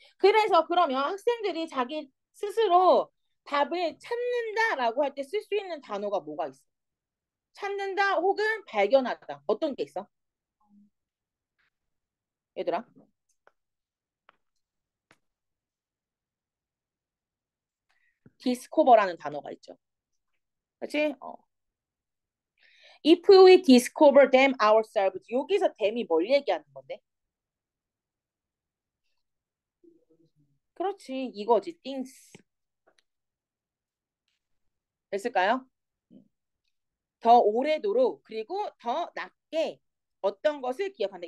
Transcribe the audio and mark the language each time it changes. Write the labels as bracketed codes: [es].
[ko] 그래서 그러면 학생들이 자기 스스로 답을 찾는다라고 할때쓸수 있는 단어가 뭐가 있어? 찾는다 혹은 발견하다. 어떤 게 있어? 얘들아. 디스코버라는 단어가 있죠. 그렇지? [en] If we discover them ourselves. [ko] 여기서 them이 뭘 얘기하는 건데? 그렇지. 이거지. things. 됐을까요? 더 오래도록 그리고 더 낮게 어떤 것을 기억한다.